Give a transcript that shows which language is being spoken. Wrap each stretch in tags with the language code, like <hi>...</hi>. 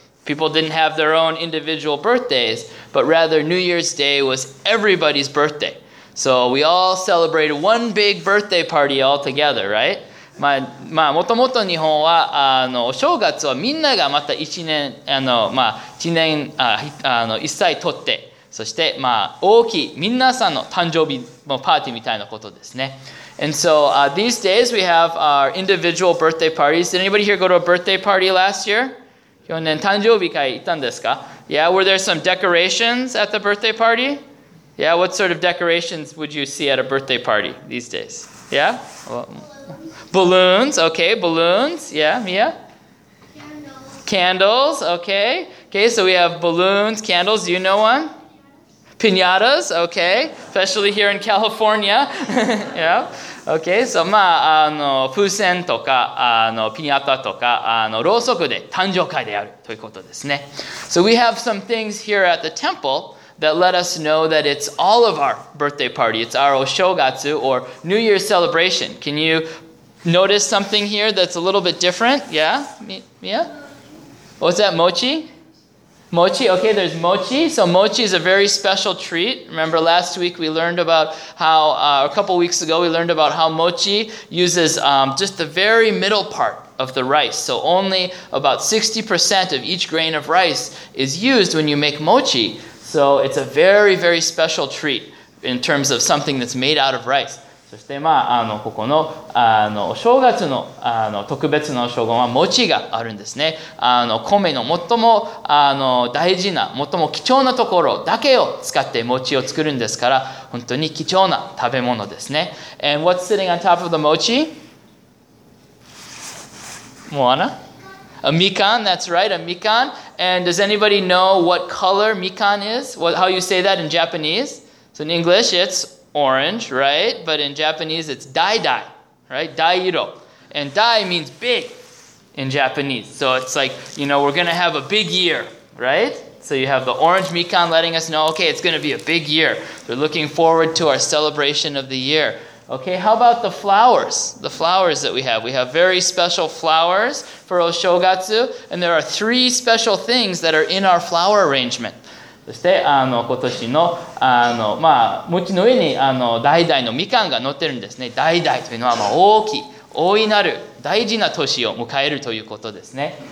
<en>People didn't have their own individual birthdays, but rather New Year's Day was everybody's birthday. So we all celebrated one big birthday party all together, right?</en> <ja>まあ、もともと日本は、あの、お正月はみんながまた一年、あの、まあ、一年、あ、あの、一歳とって、そして、まあ、大きい、みんなさんの誕生日のパーティーみたいなことですね。</ja> <en>And so, these days we have our individual birthday parties. Did anybody here go to a birthday party last year?</en> <ja>去年誕生日会行ったんですか?</ja> <en>Yeah, were there some decorations at the birthday party? Yeah, what sort of decorations would you see at a birthday party these days? Yeah? Balloons. Balloons, okay, balloons. Yeah, Mia? Candles. Candles, okay. Okay, so we have balloons, candles, do you know one? Pinatas. Pinatas, okay. Especially here in California. yeah.</en> <ja>Okay, so, まあ、あの、風船とか、あの、ピニャタとか、あの、ろうそくで誕生会であるということですね。</ja> <en>So we have some things here at the temple that let us know that it's all of our birthday party. It's our Oshogatsu or New Year's celebration. Can you notice something here that's a little bit different? Yeah? Mia? What's that, mochi? Mochi? Okay, there's mochi. So mochi is a very special treat. Remember last week we learned about how, a couple weeks ago, we learned about how mochi uses just the very middle part of the rice. So only about 60% of each grain of rice is used when you make mochi. So it's a very, very special treat in terms of something that's made out of rice.</en> <ja>そして、まあ、あのここ の, あのお正月 の, あの特別なお正月は餅があるんですね。あの米の最もあの大事な、最も貴重なところだけを使って餅を作るんですから、本当に貴重な食べ物ですね。</ja> <en>And what's sitting on top of the mochi? Moana? A mikan, that's right, a mikan. And does anybody know what color mikan is? What, how you say that in Japanese? So in English, it'sOrange, right? But in Japanese, it's dai-dai, right? Dai-iro. And dai means big in Japanese. So it's like, you know, we're going to have a big year, right? So you have the orange mikan letting us know, okay, it's going to be a big year. We're looking forward to our celebration of the year. Okay, how about the flowers? The flowers that we have. We have very special flowers for Oshogatsu, and there are three special things that are in our flower arrangement.</en> <ja>そして今年 の, まあ、餅の上に代々のみかんが載ってるんですね。代々というのは、まあ、大きい大いなる大事な年を迎えるということですね。</ja>